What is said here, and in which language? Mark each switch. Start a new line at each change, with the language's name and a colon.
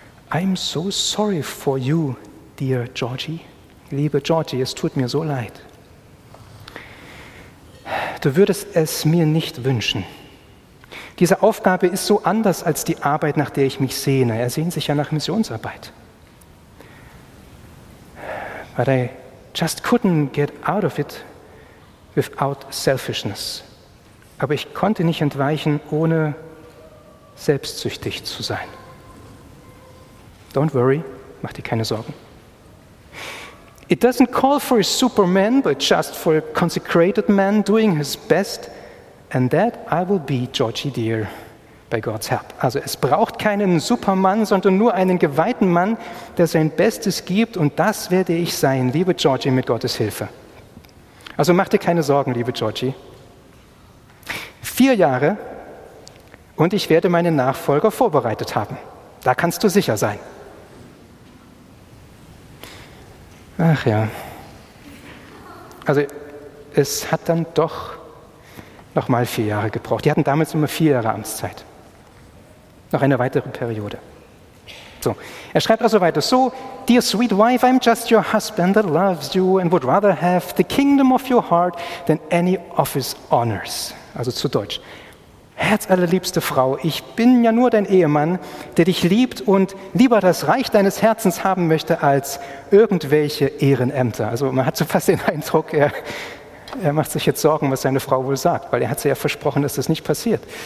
English: I'm so sorry for you, dear Georgie.
German: Liebe Georgie, es tut mir so leid. Du würdest es mir nicht wünschen. Diese Aufgabe ist so anders als die Arbeit, nach der ich mich sehne. Er sehnt sich ja nach Missionsarbeit.
English: But I just couldn't get out of it without selfishness.
German: Aber ich konnte nicht entweichen, ohne selbstsüchtig zu sein.
English: Don't worry,
German: mach dir keine Sorgen.
English: It doesn't call for a superman, but just for a consecrated man doing his best. And that I will be, Georgie dear, by God's help.
German: Also es braucht keinen Superman, sondern nur einen geweihten Mann, der sein Bestes gibt. Und das werde ich sein, liebe Georgie, mit Gottes Hilfe. Also mach dir keine Sorgen, liebe Georgie. 4 Jahre und ich werde meinen Nachfolger vorbereitet haben. Da kannst du sicher sein. Ach ja, also es hat dann doch nochmal 4 Jahre gebraucht. Die hatten damals immer 4 Jahre Amtszeit. Noch eine weitere Periode. So, er schreibt also weiter, so,
English: dear sweet wife, I'm just your husband that loves you and would rather have the kingdom of your heart than any office honors.
German: Also zu Deutsch. Herzallerliebste Frau, ich bin ja nur dein Ehemann, der dich liebt und lieber das Reich deines Herzens haben möchte als irgendwelche Ehrenämter. Also man hat so fast den Eindruck, er macht sich jetzt Sorgen, was seine Frau wohl sagt, weil er hat sie ja versprochen, dass das nicht passiert.